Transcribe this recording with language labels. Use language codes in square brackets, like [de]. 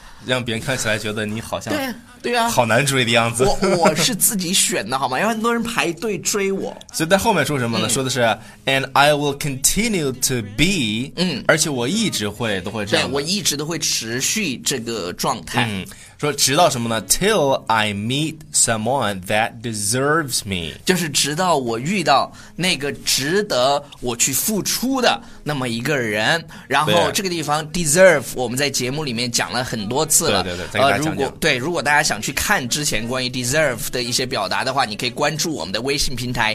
[zh] 让别人看起来觉得你好像对啊好难追的样子、啊、我是自己选的好吗有很多人排队追我所以在后面说什么呢、嗯、说的是 [en] And I will continue to be 嗯， [zh] 而且我一直会都会这样对我一直都会持续这个状态嗯，说直到什么呢 [en] Till I meet someone that deserves me [zh] 就是直到我遇到那个值得我去付出的那么一个人然后这个地方 deserve 我们在节目里面讲了很多次了对对对再给大家讲讲、如果大家想去看之前关于 deserve 的一些表达的话你可以关注我们的微信平台